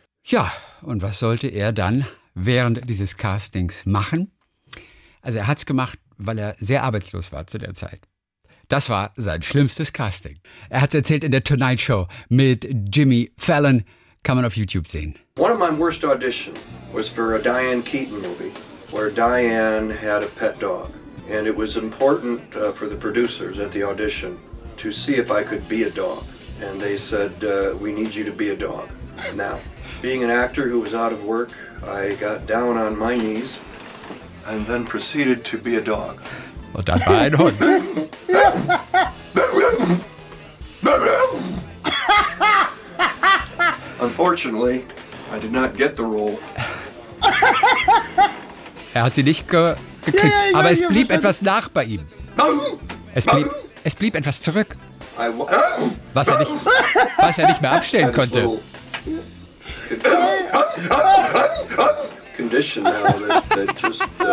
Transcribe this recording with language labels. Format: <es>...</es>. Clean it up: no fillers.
<de>Ja, und was sollte er dann während dieses Castings machen? Also er hat es gemacht, weil er sehr arbeitslos war zu der Zeit. Das war sein schlimmstes Casting. Er hat es erzählt in der Tonight Show mit Jimmy Fallon. Kann man auf YouTube sehen.</de> <en>One of my worst auditions was for a Diane Keaton movie, where Diane had a pet dog. And it was important for the producers at the audition to see if I could be a dog. And they said, we need you to be a dog. Now, being an actor who was out of work, I got down on my knees and then proceeded to be a dog.</en> <de>Und dann war ein Hund.</de> <en>Unfortunately, I did not get the role.</en> <de>Er hat sie nicht gekriegt, ja, aber es blieb etwas nach bei ihm. Es blieb etwas zurück, was er nicht mehr abstellen konnte. Condition now that just.</de>